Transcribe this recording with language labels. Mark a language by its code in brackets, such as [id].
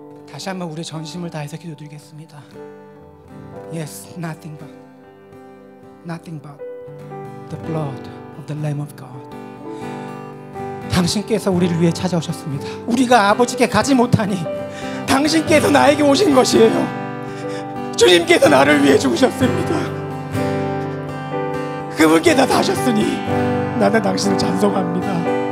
[ko] 다시 한번 우리의 전심을 다해서 기도드리겠습니다. [en] Yes, nothing but the blood of the Lamb of God. [ko] 당신께서 우리를 위해 찾아오셨습니다. 우리가 아버지께 가지 못하니 당신께서 나에게 오신 것이에요. 주님께서 나를 위해 죽으셨습니다. 그분께서 사셨으니 나는 당신을 찬송합니다.